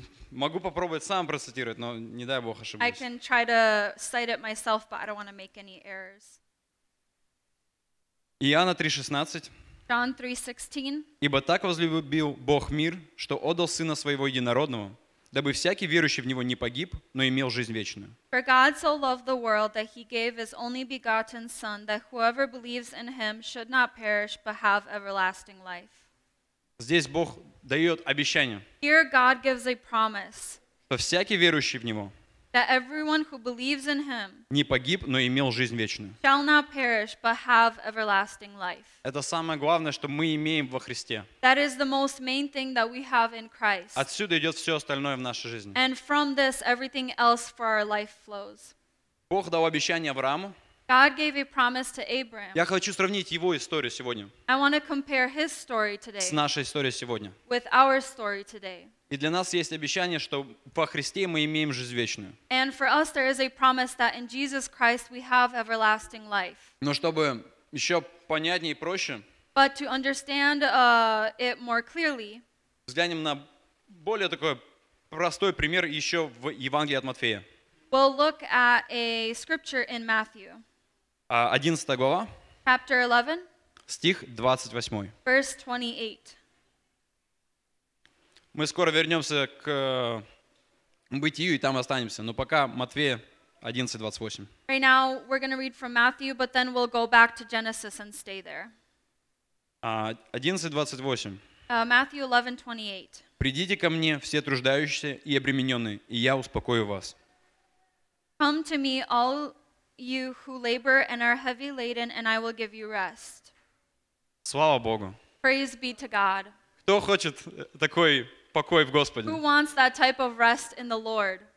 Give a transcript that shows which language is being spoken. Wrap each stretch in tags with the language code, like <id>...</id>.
<ru>Могу попробовать сам процитировать, но не дай Бог ошибусь.</ru> <en>I can try to cite it myself, but I don't want to make any errors.</en> <ru>Иоанна 3:16.</ru> <en>John 3:16.</en> <ru>Ибо так возлюбил Бог мир, что отдал Сына Своего Единородного, дабы всякий верующий в Него не погиб, но имел жизнь вечную.</ru> <en>For God so loved the world that He gave His only begotten Son, that whoever believes in Him should not perish, but have everlasting life.</en> <ru>Здесь Бог дает обещание.</ru> <en>Here God gives a promise.</en> <ru>Что всякий верующий в Него.</ru> <en>That everyone who believes in Him.</en> <ru>Не погиб, но имел жизнь вечную.</ru> <en>Shall not perish, but have everlasting life.</en> <ru>Это самое главное, что мы имеем во Христе.</ru> <en>That is the most main thing that we have in Christ.</en> <ru>Отсюда идет все остальное в нашей жизни.</ru> <en>And from this, everything else for our life flows.</en> <ru>Бог дал обещание Аврааму.</ru> <en>God gave a promise to Abraham.</en> <ru>Я хочу сравнить его историю сегодня.</ru> <en>I want to compare his story today.</en> <ru>С нашей историей сегодня.</ru> <en>With our story today.</en> <ru>И для нас есть обещание, что во Христе мы имеем жизнь вечную.</ru> <en>And for us there is a promise that in Jesus Christ we have everlasting life.</en> <ru>Но чтобы еще понятнее и проще.</ru> <en>But to understand it more clearly.</en> <ru>Взглянем на более такой простой пример еще в Евангелии от Матфея.</ru> <en>We'll look at a scripture in Matthew.</en> <ru>11 глава.</ru> <en>Chapter 11.</en> <ru>Стих 28.</ru> <en>Verse 28.</en> <ru>Мы скоро вернемся к Бытию и там останемся, но пока Матфея 11:28.</ru> <en>Right now we're going to read from Matthew, but then we'll go back to Genesis and stay there.</en> <ru>11:28.</ru> <en>Matthew 11:28.</en> <ru>Придите ко мне все труждающиеся и обремененные, и я успокою вас.</ru> <en>Come to me, all you who labor and are heavy laden, and I will give you rest.</en> <ru>Слава Богу.</ru> <en>Praise be to God.</en> <ru>Кто хочет такой покой в Господе?</ru> <en>Who wants that type of rest in the Lord?</en>